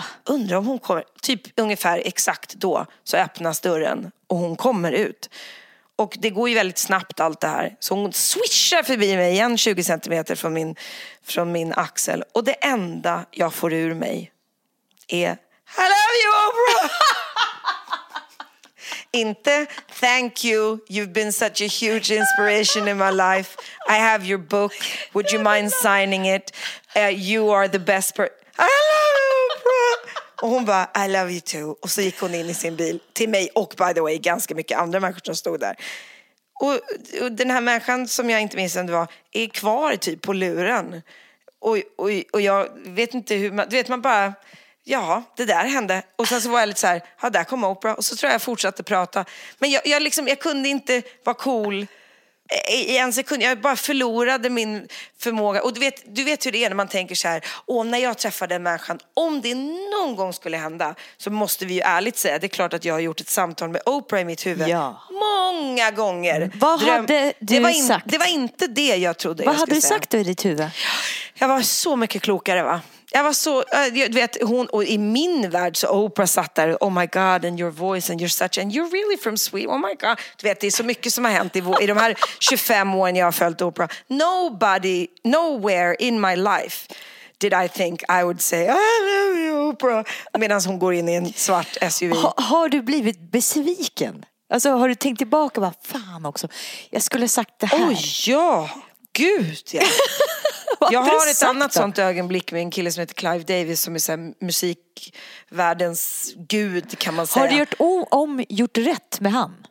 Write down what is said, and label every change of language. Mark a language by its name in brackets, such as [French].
[Swedish] Undrar om hon kommer, typ ungefär exakt då så öppnas dörren och hon kommer ut. Och det går ju väldigt snabbt allt det här. Så hon swishar förbi mig igen 20 centimeter från min axel. Och det enda jag får ur mig är [English] hello you Oprah! [Swedish] Inte [English] thank you, you've been such a huge inspiration in my life. I have your book, would you mind signing it? You are the best person. I love you, bro. [Swedish] Och hon bara, [English] I love you too. [Swedish] Och så gick hon in i sin bil till mig. Och [English] by the way, [Swedish] ganska mycket andra människor som stod där. Och den här människan som jag inte minns än det var, är kvar typ på luren. Och jag vet inte hur man, du vet, man bara, ja, det där hände. Och sen så var jag lite så här, ja, där kom Oprah. Och så tror jag fortsatte prata. Men jag liksom, jag kunde inte vara cool i en sekund. Jag bara förlorade min förmåga. Och du vet hur det är när man tänker så här, åh, när jag träffade en människan, om det någon gång skulle hända, så måste vi ju ärligt säga, det är klart att jag har gjort ett samtal med Oprah i mitt huvud. Ja. Många gånger. Vad hade du sagt? Det var inte det jag trodde. Vad jag hade du sagt då i ditt huvud? Jag var så mycket klokare, va? Jag var så, du vet, hon, och i min värld så Oprah satt där, [English] oh my god, and your voice, and you're such, and you're really from Sweden, oh my god. [Swedish] Du vet, det är så mycket som har hänt i de här 25 åren jag har följt Oprah. [English] Nobody, nowhere in my life did I think I would say, I love you, Oprah, [Swedish] medan hon går in i en svart SUV. Har du blivit besviken? Alltså, har du tänkt tillbaka, vad fan också, jag skulle ha sagt det här. Oh ja, gud, ja. Jag har ett annat sånt ögonblick med en kille som heter Clive Davis som är så här musikvärldens gud, kan man säga. Har du gjort om gjort rätt med han?